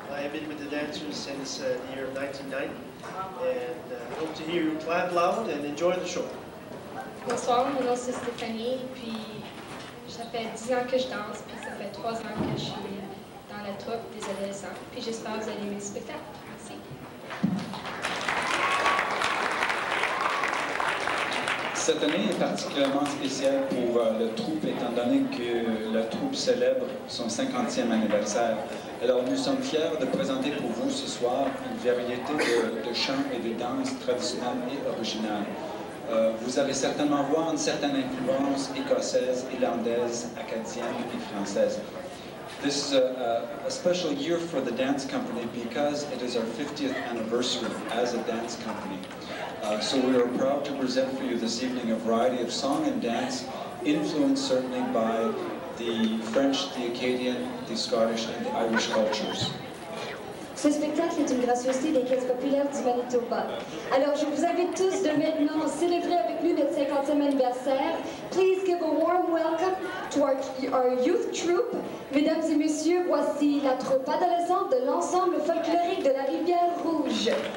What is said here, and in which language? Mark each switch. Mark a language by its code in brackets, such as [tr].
[en] I have been with the dancers since the year 1990 and hope to hear you clap loud and enjoy the show. [fr] Bonsoir, mon nom c'est Stéphanie, puis ça fait 10 ans que je danse, puis ça fait 3 ans que je suis dans la troupe des adolescents, puis j'espère vous allez aimer le spectacle. Cette année est particulièrement spéciale pour la troupe, étant donné que la troupe célèbre son 50e anniversaire. Alors nous sommes fiers de présenter pour vous ce soir une variété de chants et de danses traditionnelles et originales. Vous allez certainement voir une certaine influence écossaise, irlandaise, acadienne et française. [en] This is a special year for the dance company because it is our 50th anniversary as a dance company. So we are proud to present for you this evening a variety of song and dance, influenced certainly by the French, the Acadian, the Scottish, and the Irish cultures. [fr] Ce spectacle est une gracieuseté des caisses populaires du Manitoba. Alors je vous invite tous de maintenant célébrer avec nous notre 50e anniversaire. [en] Please give a warm welcome to our youth troupe. [fr] Mesdames et messieurs, voici la troupe adolescente de l'ensemble folklorique de la Rivière Rouge.